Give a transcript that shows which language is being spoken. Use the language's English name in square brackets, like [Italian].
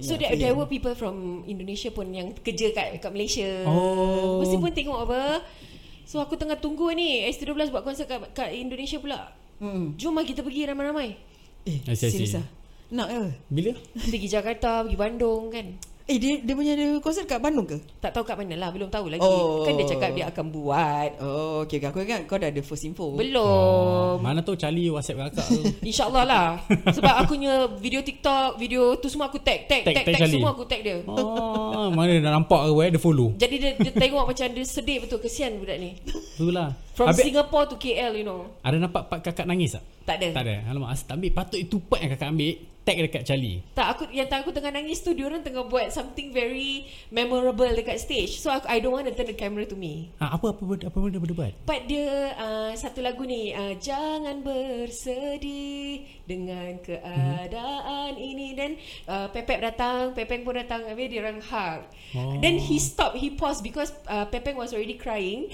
[English] So yeah, there were people from Indonesia [Malay] pun yang kerja kat Malaysia. Oh. Mesti pun tengok apa. So aku tengah tunggu ni ST12 buat konsert kat Indonesia pula. Jom lah kita pergi ramai-ramai. Serius lah. Nak ke? Bila? Pergi Jakarta, pergi Bandung kan. Dia punya ada konsert kat Bandung ke? Tak tahu kat mana lah, belum tahu lagi. Kan dia cakap dia akan buat. Okay, aku ingat kau dah ada first info. Belum. Mana tahu Charlie WhatsApp kakak tu. InsyaAllah lah. Sebab aku punya video TikTok, video tu semua aku tag semua aku tag dia. Mana dia nak nampak ke, dia follow. Jadi dia tengok macam dia sedih betul, kesian budak ni. Itulah. [English] From habis Singapore to KL, you know. [Malay] Ada nampak part kakak nangis tak? Tak ada. Tak ada. Alamak, asyik ambil. Patut itu part yang kakak ambil. Tag dekat Charlie. Tak, aku yang tak, aku tengah nangis tu, diorang tengah buat [English] something very memorable [Malay] dekat stage. So aku, [English] I don't want to turn the camera to me. [Malay] Apa benda boleh buat? Part dia satu lagu ni, jangan bersedih dengan keadaan ini. Then Pepeng pun datang, habis diorang hug. [English] Then he stop, he pause because Pepeng was already crying.